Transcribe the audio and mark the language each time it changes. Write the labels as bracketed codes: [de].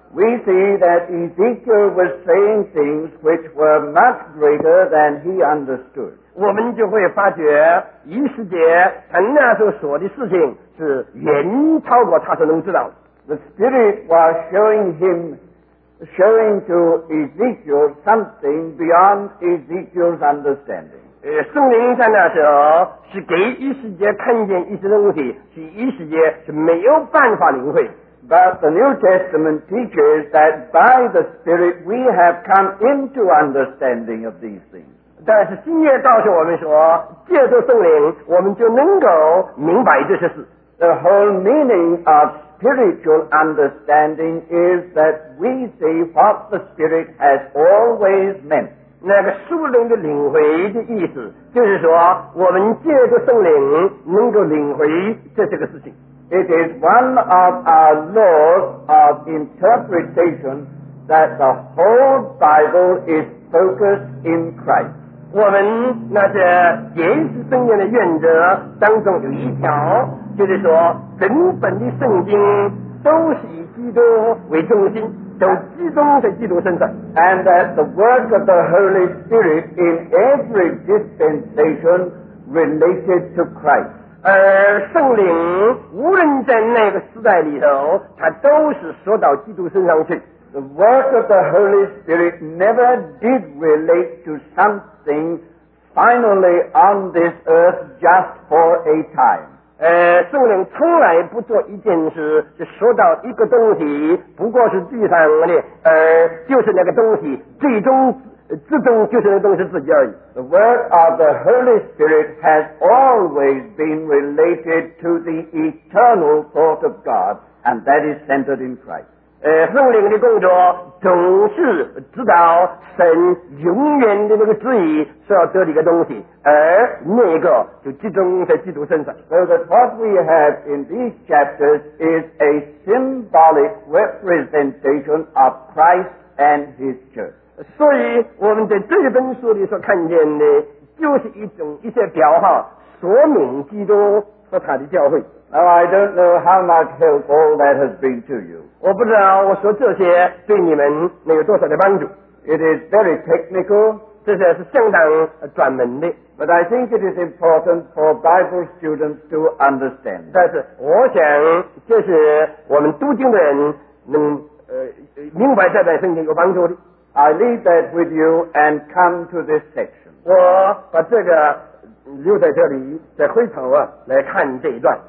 [en] We see that Ezekiel was saying things which were much greater than he understood. [zh] 我们就会发觉以西结他那时候说的事情是远超过他所能知道的。 [en] The Spirit was showing to Ezekiel something beyond Ezekiel's understanding. [zh] 圣灵在那时候是给以西结看见一些东西，是以西结是没有办法领会。 [en] But the New Testament teaches that by the Spirit we have come into understanding of these things. [zh] 但是新约告诉我们说，借着圣灵，我们就能够明白这些事。 [en] The whole meaning of spiritual understanding is that we see what the Spirit has always meant. [zh] 那个属灵的领会的意思，就是说，我们借着圣灵能够领会这个事情。 [en] It is one of our laws of interpretation that the whole Bible is focused in Christ. [zh] 我们那些解释圣经的原则当中有一条，就是说整本的圣经都是以基督为中心，都集中在基督身上。 [en] And that the work of the Holy Spirit in every dispensation related to Christ. [zh] 而圣灵无论在那个时代里头，它都是说到基督身上去。 [en] The work of the Holy Spirit never did relate to something finally on this earth just for a time. [zh] 圣灵从来不做一件事，是说到一个东西，不过是地上的，就是那个东西最终。自动就是那东西自己而已。 [en] The work of the Holy Spirit has always been related to the eternal thought of God, and that is centered in Christ. [zh] 圣灵的工作总是知道神永远的那个旨意是要得的一个东西，而那个就集中在基督身上。 [en] So that what we have in these chapters is a symbolic representation of Christ and His Church. [zh] 所以我们在这本书里所看见的就是一些表号，说明基督和他的教会。 [en] Now I don't know how much help all that has been to you. [zh] 我不知道我说这些对你们能有多少的帮助。 [en] It is very technical. [zh] 这些是相当专门的。 [en] But I think it is important for Bible students to understand. [zh] 但是我想这是我们读经的人能明白这本圣经有帮助的。 [en] I leave that with you and come to this section. [zh] 我把这个留在这里，再回头啊来看这一段。